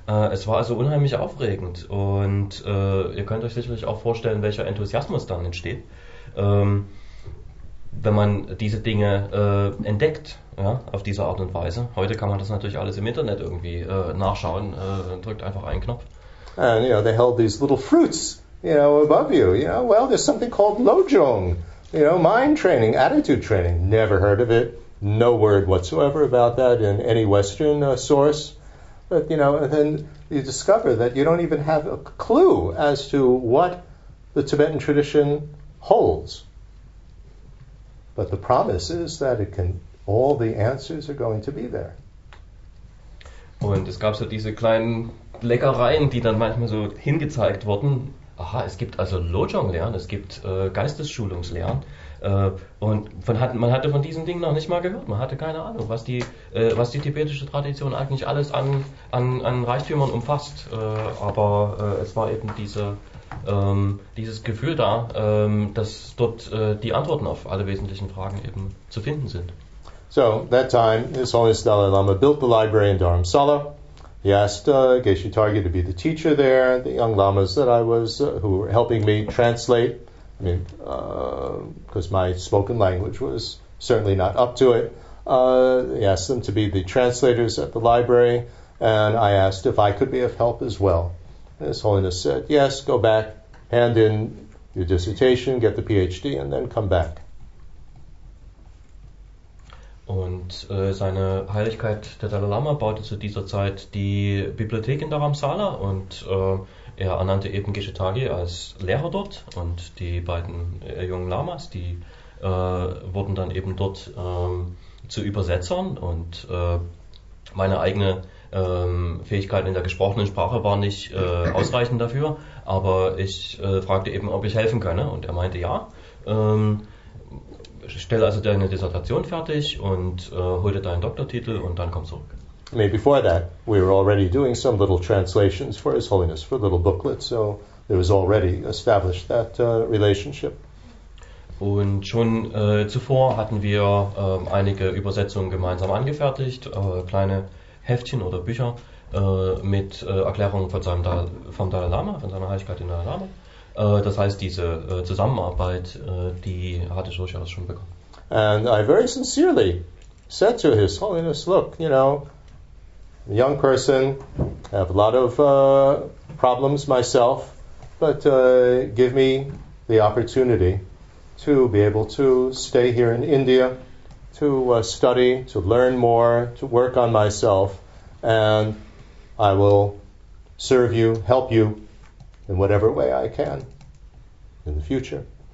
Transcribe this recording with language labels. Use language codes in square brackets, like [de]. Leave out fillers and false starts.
[de] Es war also unheimlich aufregend. Und ihr könnt euch sicherlich auch vorstellen, welcher Enthusiasmus dann entsteht, wenn man diese Dinge entdeckt. Ja, auf diese Art und Weise. Heute kann man das natürlich alles im Internet irgendwie nachschauen, drückt einfach einen Knopf. [en] And you know, they held these little fruits, you know, above you. You know, well, there's something called Lojong, you know, mind training, attitude training. Never heard of it. No word whatsoever about that in any Western source. But, you know, then you discover that you don't even have a clue as to what the Tibetan tradition holds. But the promise is that it can. All the answers are going to be there. [de] Und es gab so diese kleinen Leckereien, die dann manchmal so hingezeigt wurden. Aha, es gibt also Lojong-Lehren, es gibt Geistesschulungslehren. Und man hatte von diesen Dingen noch nicht mal gehört. Man hatte keine Ahnung, was die tibetische Tradition eigentlich alles an Reichtümern umfasst. Aber es war eben dieses Gefühl da, dass dort die Antworten auf alle wesentlichen Fragen eben zu finden sind. [en] So, that time, His Holiness Dalai Lama built the library in Dharamsala, He asked Geshe Targi to be the teacher there, the young lamas that I was, who were helping me translate, I mean, because my spoken language was certainly not up to it. He asked them to be the translators at the library, and I asked if I could be of help as well. And His Holiness said, yes, go back, hand in your dissertation, get the PhD, and then come back. [de] Und seine Heiligkeit, der Dalai Lama, baute zu dieser Zeit die Bibliothek in Dharamsala und er ernannte eben Geshe Targi als Lehrer dort und die beiden jungen Lamas, die wurden dann eben dort zu Übersetzern und meine eigene Fähigkeit in der gesprochenen Sprache war nicht ausreichend dafür, aber ich fragte eben, ob ich helfen könne und er meinte ja. Stell also deine Dissertation fertig und hol dir deinen Doktortitel und dann komm zurück. [en] I mean, before that, we were already doing some little translations for His Holiness, for little booklets, so there was already established that relationship. [de] Und schon zuvor hatten wir einige Übersetzungen gemeinsam angefertigt, kleine Heftchen oder Bücher mit Erklärungen von seinem vom Dalai Lama, von seiner Heiligkeit in Dalai Lama. Das heißt, diese Zusammenarbeit, die hatte ich durchaus schon bekommen. [en] And I very sincerely said to His Holiness, look, you know, I'm a young person, I have a lot of problems myself, but give me the opportunity to be able to stay here in India, to study, to learn more, to work on myself, and I will serve you, help you, in whatever way I can, in the future.